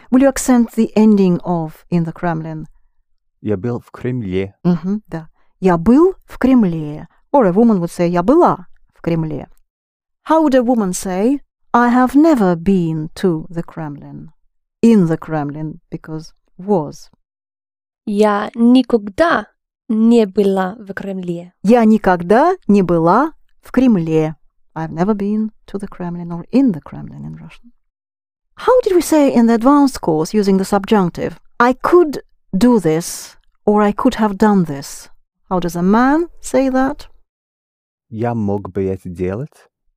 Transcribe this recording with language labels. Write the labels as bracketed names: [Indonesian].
[English] Will you accent the ending of in the Kremlin? [Russian] Я был в Кремле. Mm-hmm, да. Я был в Кремле. [English] Or a woman would say, [Russian] я была в Кремле. [English] How would a woman say, I have never been to the Kremlin? In the Kremlin, because was. [Russian] Я никогда не была в Кремле. Я никогда не была в Кремле. [English] I've never been to the Kremlin or in the Kremlin in Russian. How did we say in the advanced course using the subjunctive? I could do this or I could have done this. How does a man say that? [Russian] Я мог бы это делать.